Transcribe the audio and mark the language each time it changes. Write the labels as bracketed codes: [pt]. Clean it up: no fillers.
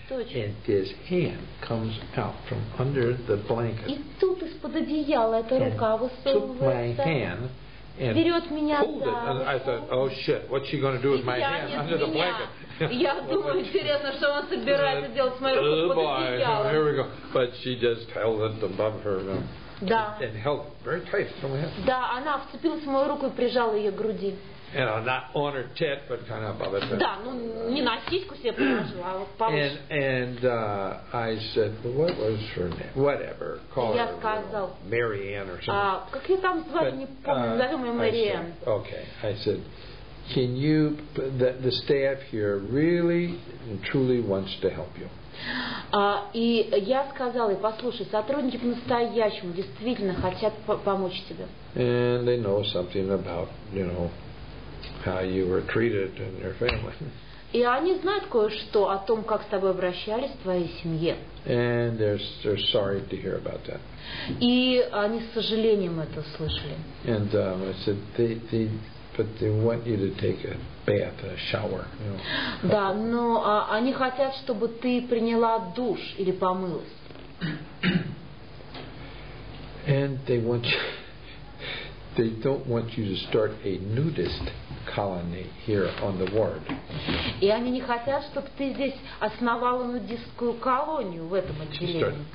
[en] And his hand comes out from under the blanket. [ru] И тут из-под одеяла эта рука высовывается. Берет меня за. [en] And I thought, oh shit, what's she going to do with my hand under the blanket? [ru] Я думаю, интересно, что она собирается делать с моей рукой под одеялом. [en] Here we go. But she just held it above her. [ru] Да. [en] And held it very tight. [ru] Да, она вцепилась в мою руку и прижала ее к груди. [en] And you know, not on her tit, but kind of above it. [ru] Да, ну не на сиську себе положила, а вот повыше. [en] And I said, what was her name? Whatever. Call [ru] я [en] her, [ru] сказал, [en] you know, Marianne or something. [ru] Как ее там звали, не помню. Зовем ее Marianne. [en] Okay. I said, can you? The staff here really and truly wants to help you. [ru] И я сказал ей, послушай, сотрудники по-настоящему действительно хотят помочь тебе. [en] And they know something about, you know. How you were treated in your family. [ru] И они знают кое-что о том, как с тобой обращались в твоей семье. [en] And they're sorry to hear about that. [ru] И они с сожалением это слышали. [en] And I said they want you to take a bath, a shower, you know. [ru] Да, но они хотят, чтобы ты приняла душ или помылась. [en] And they want you, they don't want you to start a nudist colony here on the ward. [ru] И они не хотят, чтобы ты здесь основала нудистскую колонию в этом отделении.